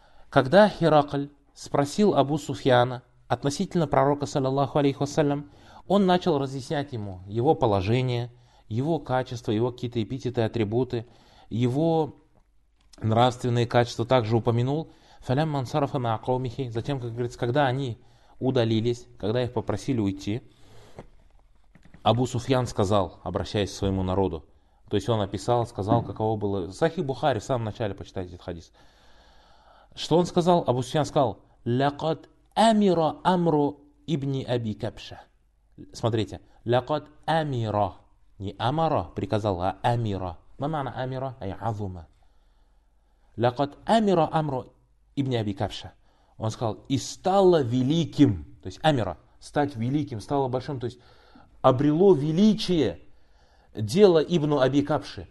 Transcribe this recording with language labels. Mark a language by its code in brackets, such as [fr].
[ru] Когда Хиракль спросил Абу Суфьяна относительно пророка, саллаллаху алейхи вассалям, он начал разъяснять ему его положение, его качества, его какие-то эпитеты, атрибуты, его нравственные качества также упомянул. [ar] Фалям мансарафа маакомихи, [ru] затем, как говорится, когда они удалились, когда их попросили уйти, Абу Суфьян сказал, обращаясь к своему народу, то есть он описал, сказал, каково было. Сахих Бухари, в самом начале почитайте этот хадис. Что он сказал? Абу Суфьян сказал: [ar] لقد أمر أمر ابن أبي كبشة. [ru] Смотрите, لقد أمر, не أمر, приказал, а أمر. [ar] ما معنى أمر؟ أي عظمة. لقد أمر أمر ابن أبي كبشة. [ru] Он сказал, и стало великим, то есть أمر, стать великим, стало большим, то есть обрело величие дело ибн Аби Кабши.